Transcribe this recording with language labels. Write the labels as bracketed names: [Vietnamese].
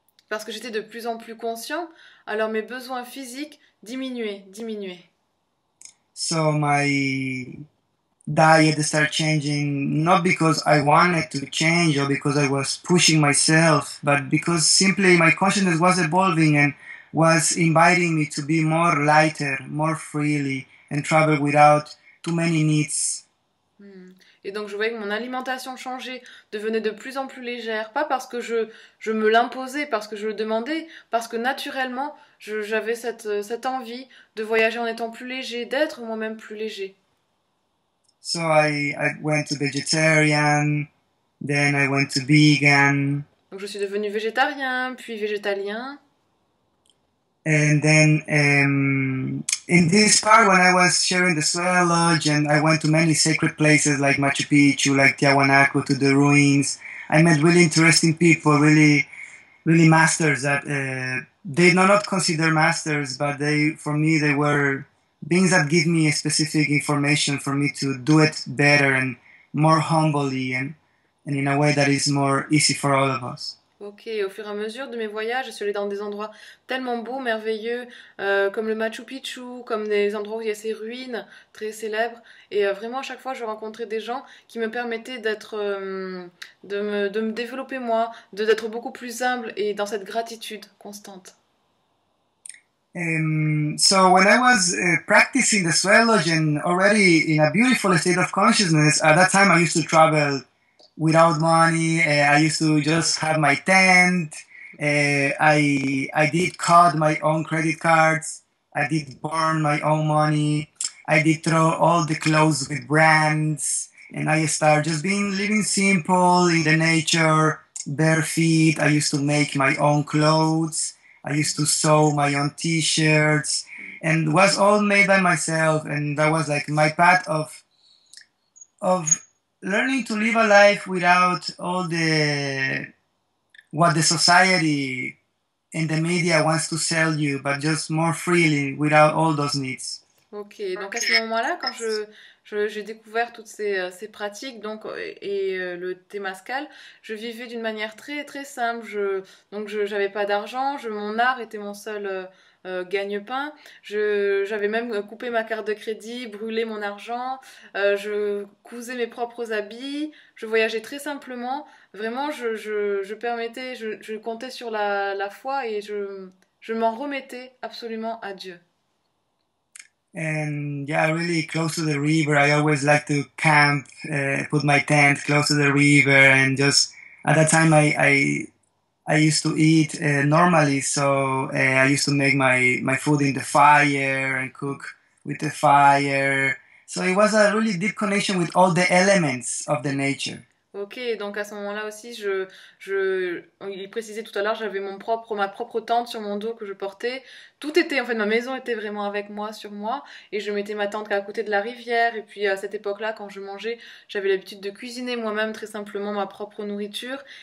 [French] Parce que j'étais de plus en plus conscient, alors mes besoins physiques diminuaient, diminuaient. [English] So my diet started changing, not because I wanted to change or because I was pushing myself, but because simply my consciousness was evolving and was inviting me to be more lighter, more freely, and travel without too many needs. [French] Et donc je voyais que mon alimentation changeait, devenait de plus en plus légère, pas parce que je me l'imposais, parce que je le demandais, parce que naturellement j'avais cette envie de voyager en étant plus léger, d'être moi-même plus léger. [English] So I went to vegetarian, then I went to vegan. [French] Donc je suis devenu végétarien, puis végétalien. [English] And then in this part, when I was sharing the Swell Lodge and I went to many sacred places like Machu Picchu, like Tiahuanaco, to the ruins, I met really interesting people, really, really masters that they not consider masters, but they, for me, they were beings that give me a specific information for me to do it better and more humbly and in a way that is more easy for all of us. [French] Ok, au fur et à mesure de mes voyages, je suis allée dans des endroits tellement beaux, merveilleux, comme le Machu Picchu, comme des endroits où il y a ces ruines très célèbres. Et vraiment, à chaque fois, je rencontrais des gens qui me permettaient de me développer moi, d'être beaucoup plus humble et dans cette gratitude constante. [English] So when I was practicing the Swell Lodge and already in a beautiful state of consciousness, at that time I used to travel without money. I used to just have my tent. I did cut my own credit cards. I did burn my own money. I did throw all the clothes with brands, and I started just being living simple in the nature, bare feet. I used to make my own clothes. I used to sew my own t-shirts, and was all made by myself. And that was like my path of learning to live a life without all the what the society and the media wants to sell you, but just more freely without all those needs. [French] Ok, donc à ce moment-là, quand j'ai découvert toutes ces pratiques donc, et le Temazcal, je vivais d'une manière très très simple. Donc je n'avais pas d'argent, mon art était mon seul gagne-pain. J'avais même coupé ma carte de crédit, brûlé mon argent, je cousais mes propres habits, je voyageais très simplement. Vraiment, je comptais sur la foi et je m'en remettais absolument à Dieu. [English] And yeah, really close to the river. I always like to camp, put my tent close to the river, and just at that time I used to eat normally. So I used to make my food in the fire and cook with the fire. So it was a really deep connection with all the elements of the nature. [French] Ok, donc à ce moment-là aussi, il précisait tout à l'heure, j'avais ma propre tente sur mon dos que je portais. Tout était, en fait, ma maison était vraiment avec moi, sur moi, et je mettais ma tente à côté de la rivière. Et puis à cette époque-là, quand je mangeais, j'avais l'habitude de cuisiner moi-même très simplement ma propre nourriture.